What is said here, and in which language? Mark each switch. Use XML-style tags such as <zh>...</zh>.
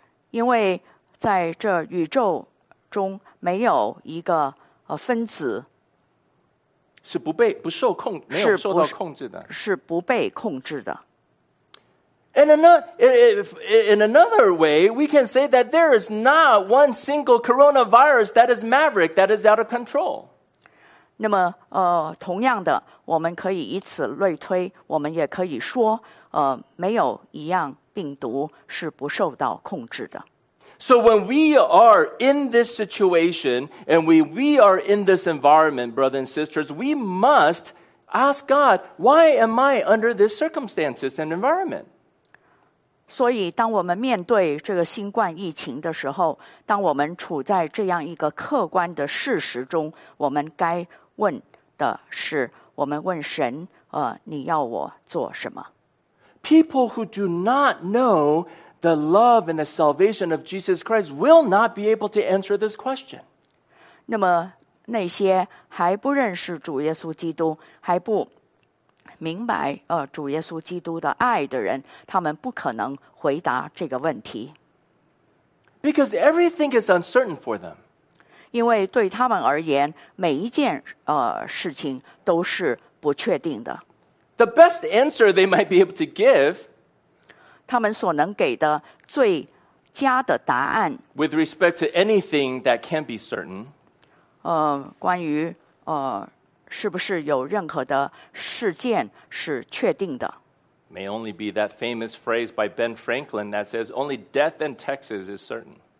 <zh>因为在这宇宙中没有一个分子是不被不受控，没有受到控制的，是不被控制的。</zh> <en>In another way, we can say that there is not one single coronavirus that is maverick, that is out of control.</en> <zh>那么同样的，我们可以以此类推，我们也可以说没有一样病毒是不受到控制的。</zh> <en>So when we are in this situation, and we are in this environment, brothers and sisters, we must Ask God, why am I under this circumstances and environment?</en> <zh>所以当我们面对这个新冠疫情的时候，当我们处在这样一个客观的事实中，我们该问的是，我们问神，你要我做什么？</zh> <en>People who do not know the love and the salvation of Jesus Christ will not be able to answer this question.</en> <zh>那么那些还不认识主耶稣基督，还不明白主耶稣基督的爱的人，他们不可能回答这个问题。</zh> <en>Because everything is uncertain for them.</en> <zh>因为对他们而言，每一件事情都是不确定的。</zh> <en>The best answer they might be able to give,</en> <zh>他们所能给的最佳的答案，</zh> <en>with respect to anything that can be certain,</en> <zh>关于是不是有任何的事件是确定的？</zh> <en>May only be that famous phrase by Ben Franklin that says only death in Texas is certain.</en>